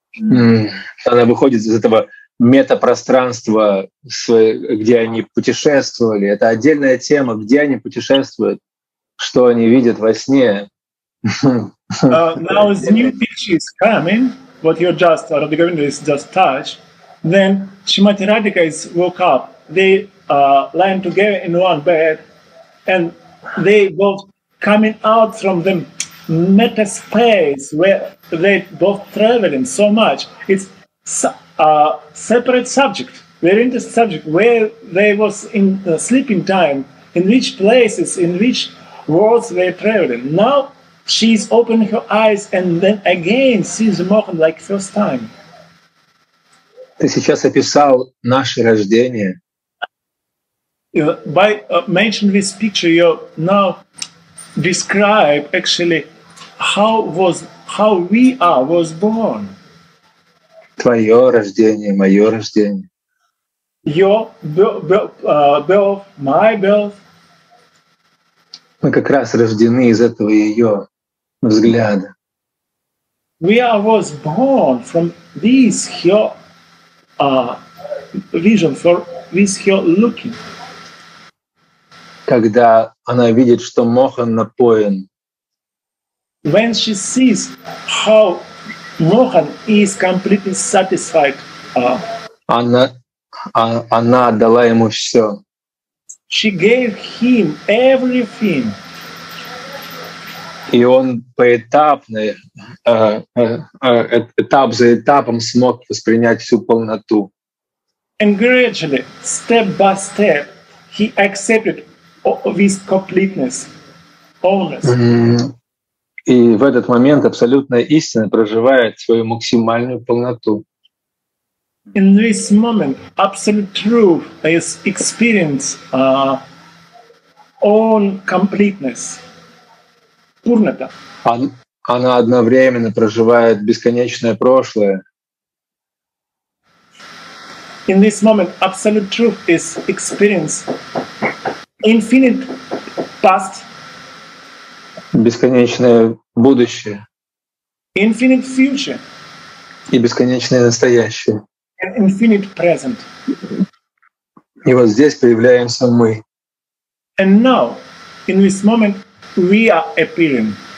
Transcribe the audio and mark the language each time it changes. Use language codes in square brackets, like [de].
[ru] Она выходит из этого метапространства, где они путешествовали. Это отдельная тема, где они путешествуют, что они видят во сне. [en] Now the new picture is coming, what you're just, Radha Govinda is just touched. Then Shrimati Radhika is woke up. They are lying together in one bed, and they both coming out from the meta space where they both traveling so much. It's a separate subject, very interesting subject, where they was in sleeping time, in which places, in which worlds they traveling. Now she's opened her eyes and then again sees Mohan like first time. [ru] Ты сейчас описал наше рождение. [en] By mentioning this picture, you now describe actually how we are was born. [ru] Твое рождение, мое рождение. [en] Your birth, my birth. [ru] Мы как раз рождены из этого ее взгляда. [en] We are was born from this her vision, for this her looking. [ru] Когда она видит, что Мохан напоен. [en] When she sees how Mohan is completely satisfied. [ru] Она дала ему все. [en] She gave him everything. [ru] И он поэтапно, этап за этапом смог воспринять всю полноту. [en] And gradually, step by step, he accepted this completeness, wholeness. [ru] И в этот момент абсолютная истина проживает свою максимальную полноту. [en] In this moment, absolute truth is experience own completeness. [ru] Она одновременно проживает бесконечное прошлое. [en] In this moment, absolute truth is experience infinite past. [ru] Бесконечное будущее. [en] Infinite future. [ru] И бесконечное настоящее. [en] An infinite present. [ru] И вот здесь появляемся мы. [en] And now, in this moment, we are appearing.